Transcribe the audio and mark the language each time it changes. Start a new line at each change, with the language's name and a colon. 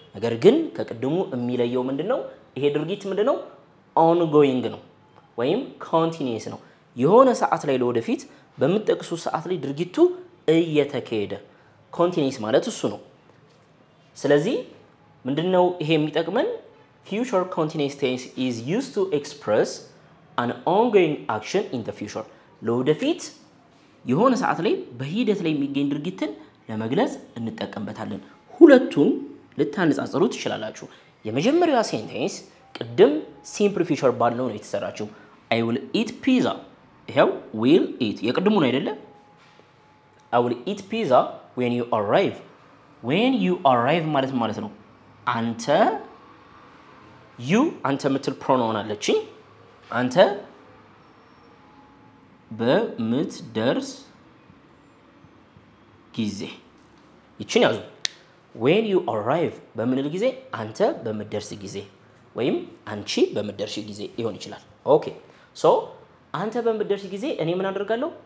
Amharic: ነገር ግን ከቀድሞ የሚለየው ምንድነው? ይሄ ድርጊት ምንድነው? ongoing ነው ወይም continuous ነው። የሆነ ሰዓት ላይ ለወደፊት በሚጠቅሱ ሰዓት ላይ ድርጊቱ እየተከደ continuous ማለት እሱ ነው። ስለዚህ ምንድነው ይሄ የሚጠቅመን?
English: future continuous tense is used to express an ongoing action in the future.
Amharic: ለወደፊት የሆነ ሰዓት ላይ በሂደት ላይ የሚገኝ ድርጊትን ለመግለጽ እንጠቀምበታለን። ሁለቱን ልታነጻጽሩ ትችላላችሁ። የመጀመሪያው sentence ቅድም simple future ባለው ነው የተሰራችው።
English: I will eat pizza.
Amharic: ይሄው will eat የቅድሙ ነው አይደለ?
English: I will eat pizza when you arrive.
Amharic: When you arrive ማለት ነው አንተ you አንተ ምትል pronoun አለች አንተ በምትደርስ ጊዜ ይቺን ያዙ። when you arrive በምንል ጊዜ አንተ በምትደርስ ጊዜ ወይም አንቺ በምትደርሽ ጊዜ ይሆን ይችላል። ኦኬ ሶ አንተ በምትደርስ ጊዜ እኔ ምን አደርጋለሁ?